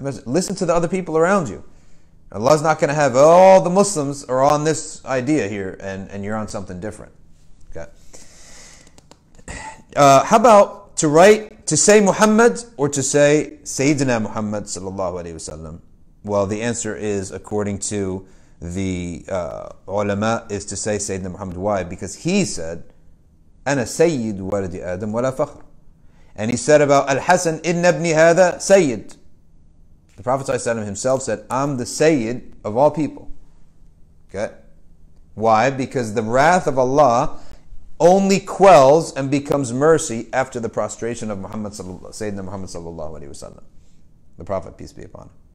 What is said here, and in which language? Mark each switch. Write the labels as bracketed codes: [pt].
[en] Listen to the other people around you. Allah's not going to have all the Muslims are on this idea here and you're on something different. How about to write, to say Muhammad or to say Sayyidina Muhammad sallallahu alayhi wa sallam? Well, the answer is, according to the ulama, is to say Sayyidina Muhammad. Why? Because he said, [ar] أنا سيد ولد آدم ولا فخر. [en] And he said about Al-Hasan, [ar] إن ابني هذا سيد. [en] The Prophet sallallahu alayhi wa sallam himself said, I'm the Sayyid of all people. Okay? Why? Because the wrath of Allah only quells and becomes mercy after the prostration of Muhammad Sayyidina Muhammad sallallahu alaihi wasallam, the Prophet, peace be upon him.